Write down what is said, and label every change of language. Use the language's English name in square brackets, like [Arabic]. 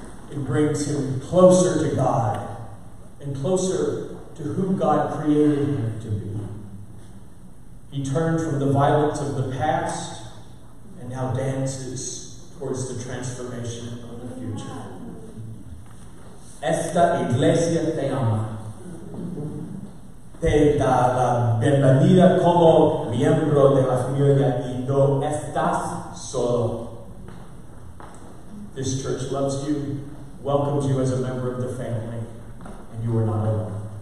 [English] It brings him closer to God and closer to who God created him to be. He turned from the violence of the past and now dances towards the transformation of the future. [Spanish] Esta iglesia te ama. Te da la bienvenida como miembro de la familia y no estás solo. [English] This church loves you, welcomes you as a member of the family, and you are not alone.